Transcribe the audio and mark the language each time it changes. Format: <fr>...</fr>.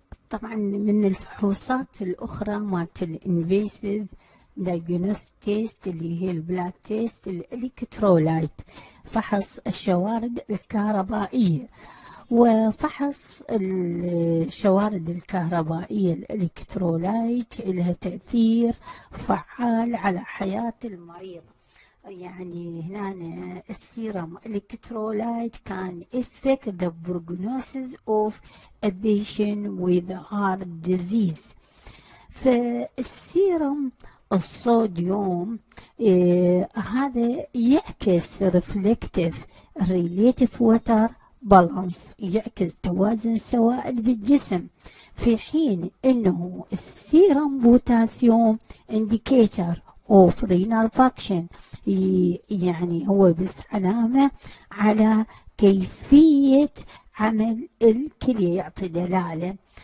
<ar>طبعا من الفحوصات الأخرى مالت الانفيسيف</ar> <en>diagnostic test</en> <ar>اللي هي البلاد تيست، الالكترولايت فحص الشوارد الكهربائية، وفحص الشوارد الكهربائية الإلكترولايت لها تأثير فعال على حياة المريض. يعني هنا السيرم الإلكترولايت كان</ar> <en>affect the prognosis of a patient with heart disease.</en> <ar>فالسيرم الصوديوم هذا يعكس</ar> <en>reflective relative water</en> <ar>بالانس، يعكس توازن السوائل بالجسم، في حين انه السيرم بوتاسيوم انديكيتر اوف رينال فاكشن، يعني هو بس علامه على كيفيه عمل الكليه، يعطي دلاله.</ar>